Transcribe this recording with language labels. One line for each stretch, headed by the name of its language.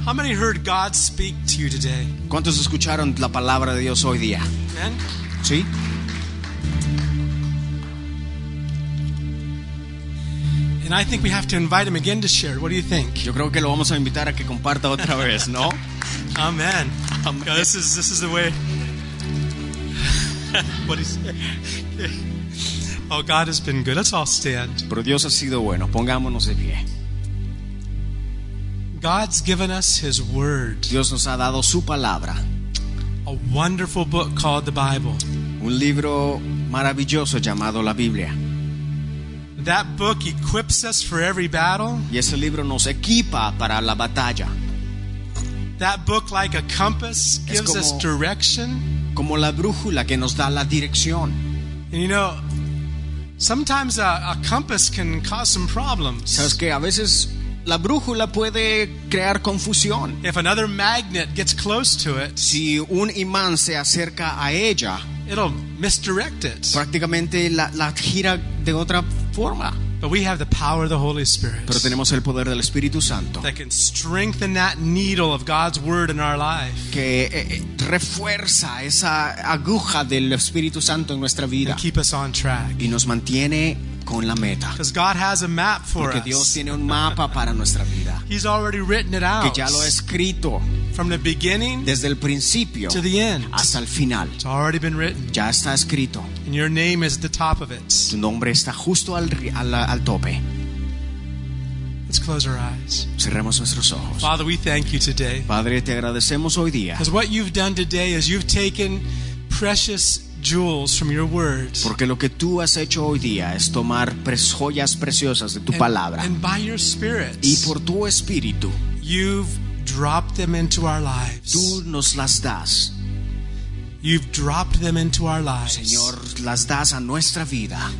English: How many heard God speak to you today?
Spanish: ¿Cuántos escucharon la palabra de Dios hoy día?
English: Amen.
Spanish: Sí.
English: And I think we have to invite him again to share. What do you think?
Spanish: Yo creo que lo vamos a invitar a que comparta otra vez, ¿no?
English: Amen. Amen. This is the way. What is? Oh, God has been good. Let's all stand.
Spanish: Pero Dios ha sido bueno. Pongámonos de pie.
English: God's given us His Word.
Spanish: Dios nos ha dado su palabra.
English: A wonderful book called the Bible.
Spanish: Un libro maravilloso llamado la Biblia.
English: That book equips us for every battle.
Spanish: Y ese libro nos equipa para la batalla.
English: That book, like a compass, gives us direction.
Spanish: Como la brújula que nos da la dirección.
English: And you know, sometimes a compass can cause some problems.
Spanish: Sabes que a veces la brújula puede crear confusión.
English: If another magnet gets close to it,
Spanish: si un imán se acerca a ella,
English: it'll misdirect it.
Spanish: Prácticamente la gira de otra forma.
English: But we have the power of the Holy Spirit.
Spanish: Pero tenemos el poder del Espíritu Santo.
English: That can strengthen that needle of God's word in our life.
Spanish: Que refuerza esa aguja del Espíritu Santo en nuestra vida.
English: And keep us on track.
Spanish: Y nos mantiene con la meta.
English: Because God has a map for us.
Spanish: Porque Dios tiene un mapa para nuestra vida.
English: He's already written it out.
Spanish: Que ya lo ha escrito.
English: From the beginning,
Spanish: desde el principio,
English: to the end,
Spanish: hasta el final,
English: it's already been written.
Spanish: Ya está escrito.
English: And your name is at the top of it.
Spanish: Tu nombre está justo al tope.
English: Let's close our eyes.
Spanish: Cerremos nuestros ojos.
English: Father, we thank you today.
Spanish: Padre, te agradecemos hoy día.
English: Because what you've done today is you've taken precious jewels from your words.
Spanish: Porque lo que tú has hecho hoy día es tomar joyas preciosas de tu palabra.
English: And by your spirit.
Spanish: Y por tu espíritu.
English: You've dropped them into our lives.
Spanish: Tú nos las das.
English: You've dropped them into our lives.
Spanish: Señor, las das a nuestra vida.